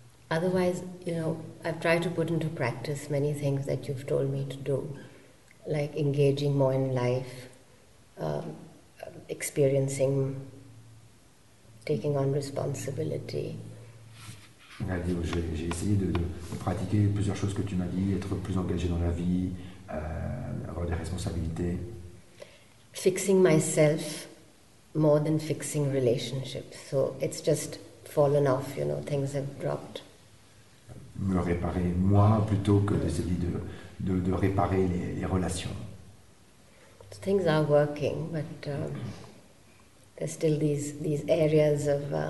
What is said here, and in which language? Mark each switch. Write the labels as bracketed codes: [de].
[en] Otherwise, you know, I've tried to put into practice many things that you've told me to do, like engaging more in life, experiencing, taking on responsibility. [fr] J'ai essayé de pratiquer plusieurs choses que tu m'as dit, être plus engagé dans la vie, avoir des responsabilités. [en] Fixing myself more than fixing relationships. So it's just fallen off, you know, things have dropped. [fr] Me réparer moi plutôt que d'essayer de réparer les relations. [en] So things are working, but there's still these areas of...